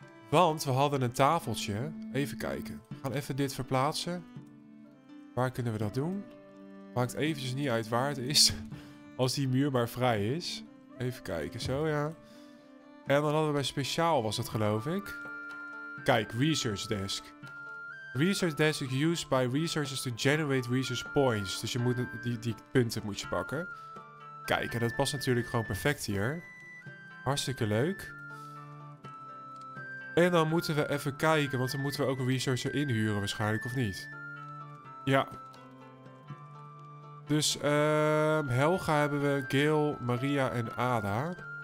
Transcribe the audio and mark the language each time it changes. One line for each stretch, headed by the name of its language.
Dutch: Want we hadden een tafeltje. Even kijken. We gaan even dit verplaatsen. Waar kunnen we dat doen? Maakt eventjes niet uit waar het is. Als die muur maar vrij is. Even kijken. Zo ja. En dan hadden we bij speciaal was het geloof ik. Kijk. Research desk.
English: Research desk is used by researchers to generate research points.
Dutch: Dus je moet die punten moet je pakken. Kijk. En dat past natuurlijk gewoon perfect hier. Hartstikke leuk. En dan moeten we even kijken, want dan moeten we ook een researcher inhuren waarschijnlijk, of niet? Ja. Dus Helga hebben we, Gail, Maria en Ada.